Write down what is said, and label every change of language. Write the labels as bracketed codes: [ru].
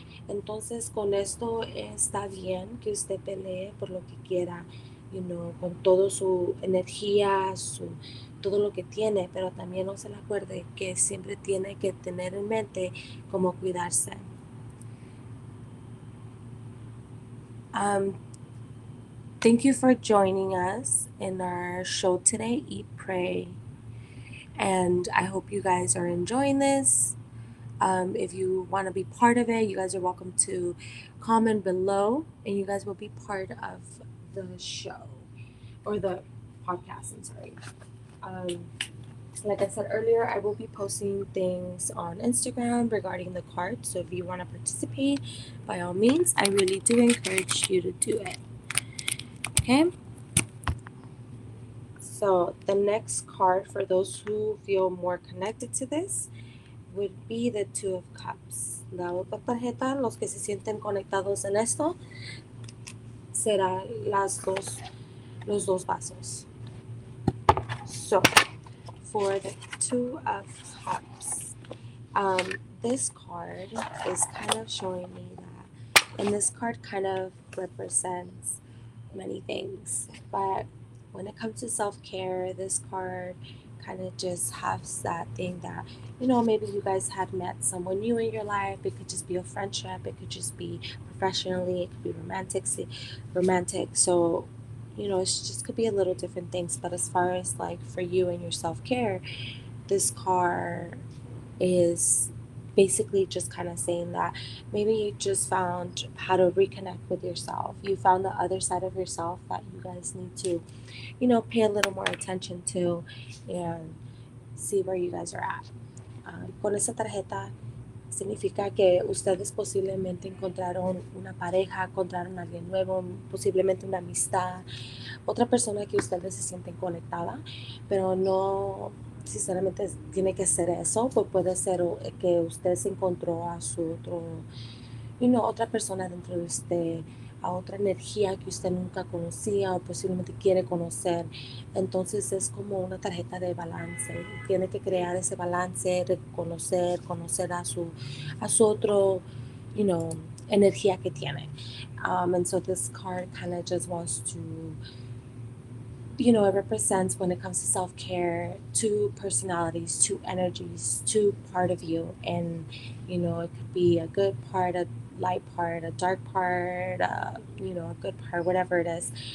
[es] Entonces con esto está bien que usted pelee por lo que quiera, con todo su energía, su todo lo que tiene, pero también no se le acuerde que siempre tiene que tener en mente cómo cuidarse. [en] Thank you for joining us in our show today, Eat, Pray. And I hope you guys are enjoying this. If you want to be part of it, you guys are welcome to comment below and you guys will be part of the show or the podcast, I'm sorry. Like I said earlier, I will be posting things on Instagram regarding the card. So if you want to participate, by all means, I really do encourage you to do it. Okay. So the next card for those who feel more connected to this would be the Two of Cups. [es] La otra tarjeta, los que se sienten conectados en esto, será las dos, los dos vasos. [en] So, for the Two of Cups, this card is kind of showing me that, and this card kind of represents many things, but when it comes to self-care, this card kind of just has that thing that, you know, maybe you guys have met someone new in your life. It could just be a friendship. It could just be professionally. It could be romantic. So, you know, it just could be a little different things. But as far as like for you and your self-care, this card is basically just kind of saying that maybe you just found how to reconnect with yourself. You found the other side of yourself that you guys need to, you know, pay a little more attention to and see where you guys are at. [es] Con esa tarjeta significa que ustedes posiblemente encontraron una pareja, encontraron a alguien nuevo, posiblemente una amistad, otra persona que ustedes se sienten conectada, pero no sinceramente tiene que ser eso, pues puede ser que usted se encontró a su otro, otra persona dentro de usted, a otra energía que usted nunca conocía o posiblemente quiere conocer. Entonces es como una tarjeta de balance, tiene que crear ese balance, reconocer a su otro, energía que tiene. [en] And so this card kind of just wants to, it represents when it comes to self-care, two personalities, two energies, two part of you. And, it could be a good part, a light part, a dark part, a good part, whatever it is.